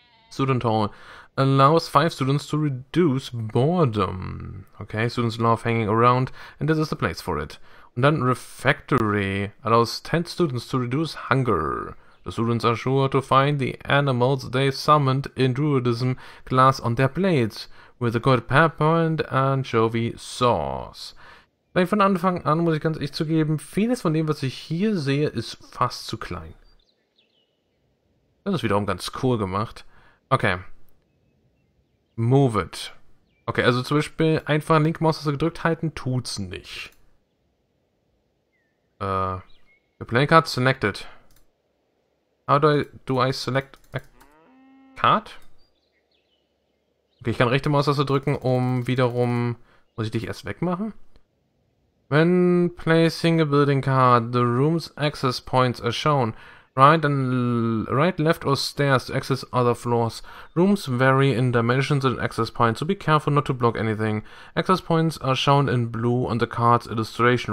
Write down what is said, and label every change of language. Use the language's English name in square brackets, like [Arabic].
[English] Student hall allows 5 students to reduce boredom. Okay, students love hanging around and this is the place for it. And then refectory allows 10 students to reduce hunger. The students are sure to find the animals they summoned in druidism class on their plates. With a good PowerPoint and anchovy sauce. [German] Weil von Anfang an, muss ich ganz ehrlich zugeben, vieles von dem, was ich hier sehe, ist fast zu klein. Das ist wiederum ganz cool gemacht. Okay. [English] Move it. [German] Okay, also zum Beispiel einfach Linkmaustaste gedrückt halten, tut's nicht. [English] The play card selected. How do I select a card? [German] Okay, ich kann rechte Maustaste drücken, um wiederum... Muss ich dich erst wegmachen? [English] When placing a building card, the room's access points are shown. Right, left or stairs to access other floors. Rooms vary in dimensions and access points, so be careful not to block anything. Access points are shown in blue on the card's illustration.